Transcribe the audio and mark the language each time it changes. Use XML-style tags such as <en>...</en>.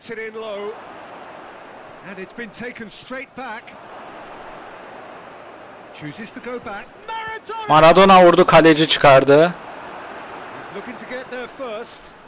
<en>And it's been taken straight back. Chooses to go back.</en> <tr>Maradona vurdu, kaleci çıkardı.</tr> <en>He's looking to get there first.</en>